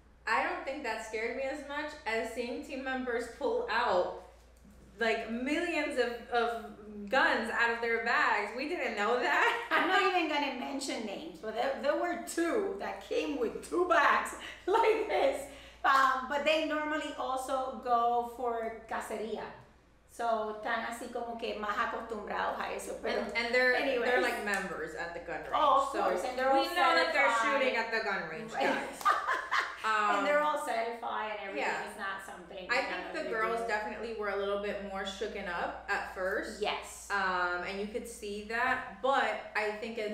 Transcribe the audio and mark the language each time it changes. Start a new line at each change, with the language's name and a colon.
English: I don't think that scared me as much as seeing team members pull out like millions of guns out of their bags. We didn't know that. I'm not even gonna mention names, but there were two that came with two bags like this. But they normally also go for cacería.
Spanish: So, están así como que más acostumbrados a eso. Pero,
English: and they're like members at the gun range. Oh, of course. And they're all certified. We know that they're shooting at the gun range, guys. And they're all certified and everything. Yeah. It's not something. I think the girls definitely were a little bit more shooken up at first. Yes. And you could see that, but I think it's